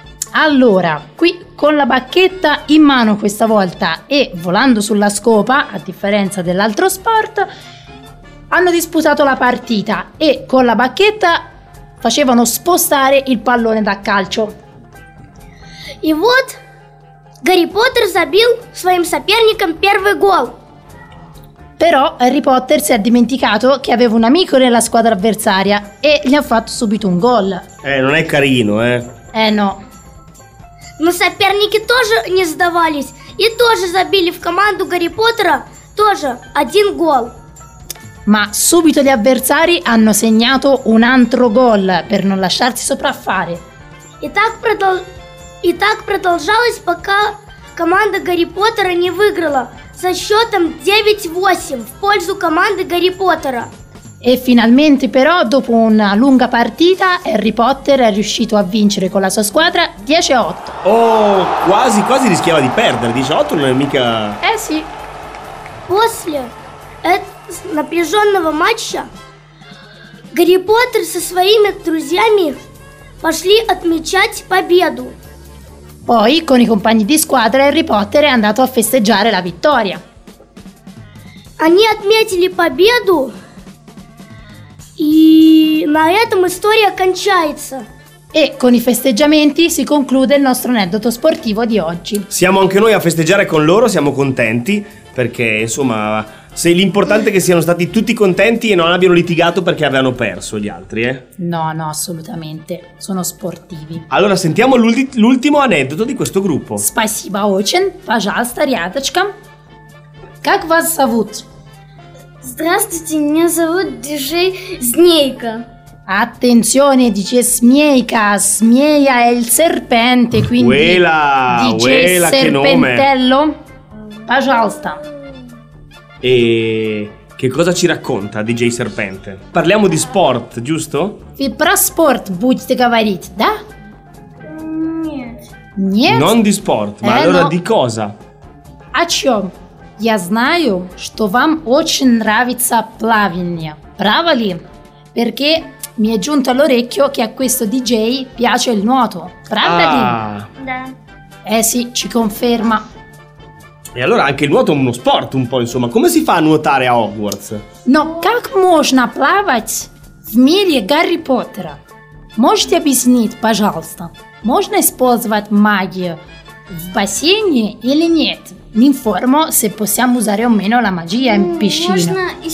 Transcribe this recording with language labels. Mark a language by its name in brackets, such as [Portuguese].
[Italian] Allora, qui con la bacchetta in mano questa volta e volando sulla scopa, a differenza dell'altro sport, hanno disputato la partita e con la bacchetta facevano spostare il pallone da calcio. [Russian] E вот Гарри Поттер забил своим соперникам первый гол. [Italian] Però Harry Potter si è dimenticato che aveva un amico nella squadra avversaria e gli ha fatto subito un gol. Non è carino, eh. No. [Russian] Но соперники тоже не сдавались и тоже забили в команду Гарри Поттера тоже один гол. [Italian] Ma subito gli avversari hanno segnato un altro gol per non lasciarsi sopraffare. [Russian] И так продолжалось, пока команда Гарри Поттера не выиграла со счетом 9-8 в пользу команды Гарри Поттера. [Italian] E finalmente però, dopo una lunga partita, Harry Potter è riuscito a vincere con la sua squadra 10-8. Oh, quasi quasi rischiava di perdere, 10-8 non è mica... Sì. [Russian] После напряженного матча Гарри Поттер со своими друзьями пошли отмечать победу. [Italian] Poi, con i compagni di squadra, Harry Potter è andato a festeggiare la vittoria. [Russian] Они отметили победу. И на этом история кончается. [Italian] E con i festeggiamenti si conclude il nostro aneddoto sportivo di oggi. Siamo anche noi a festeggiare con loro, siamo contenti, perché insomma, se l'importante è che siano stati tutti contenti e non abbiano litigato perché avevano perso gli altri, No, assolutamente, sono sportivi. Allora sentiamo l'ultimo aneddoto di questo gruppo. [Russian] Спасибо очень, пожалуйста, рядочка. Как вас зовут? Здравствуйте, меня зовут Диджей Змейка. [Italian] Attenzione, dice Змейка, Змея è il serpente, quindi Uela, dice Uela, serpentello. Che nome. [Russian] Pajalsta. [Italian] E che cosa ci racconta Диджей Serpente? Parliamo di sport, giusto? [Russian] Ты про спорт будете говорить, да? Нет. Нет? [Italian] Non di sport, ma allora no. Di cosa? [Russian] О чем? Я знаю, что вам очень нравится плавание, право ли? [Italian] Perché mi è giunto all'orecchio che a questo DJ piace il nuoto, [Russian] правда ли? Да. [Italian] Sì, ci conferma. E allora anche il nuoto è uno sport un po', insomma, come si fa a nuotare a Hogwarts? [Russian] Но как можно плавать в мире Гарри Поттера? Можете объяснить, пожалуйста? Можно использовать магию в бассейне или нет? [Italian] Mi informo se possiamo usare o meno la magia in piscina.